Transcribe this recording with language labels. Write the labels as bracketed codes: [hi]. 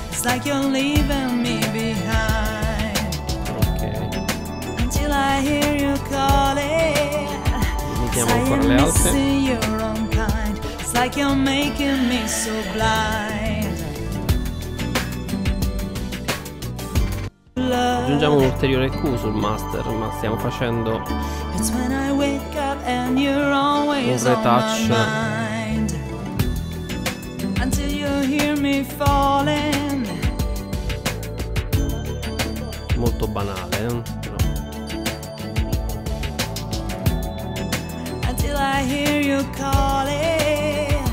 [en] It's like you're leaving me behind. Okay. Until I hear you calling, 'cause I am missing your own kind. It's like you're making me so blind. [it] Aggiungiamo un ulteriore Q sul master, ma stiamo facendo un retouch. [en] Until you hear me falling. [it] Molto banale, però. [en] Until I hear you calling.